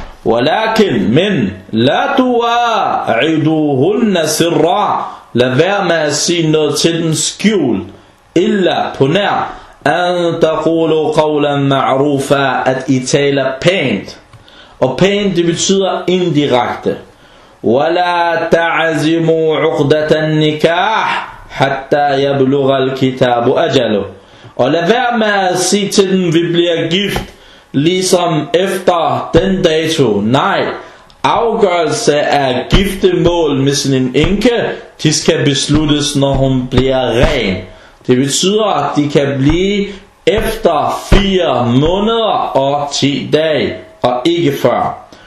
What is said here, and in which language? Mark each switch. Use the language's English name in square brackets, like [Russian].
[Arabic] Walakin min, la tuwa'iduhunna sirra. [Danish] Lad være med at sige noget til dem skjul, illa på nær. [Arabic] أن تقولوا قولا معروفا [Danish] at I taler pænt. Og pænt det betyder indirekte. [Arabic] ولا تعزموا عقدة النكاح حتى يبلغ الكتاب أجله. [Danish] Og lad være med at sige til dem, vi bliver gift ligesom efter den dato. Nej, afgørelse af giftemål med sin enke, de skal besluttes, når hun bliver ren. Det betyder, at de kan blive efter 4 måneder og 10 dage, og ikke før.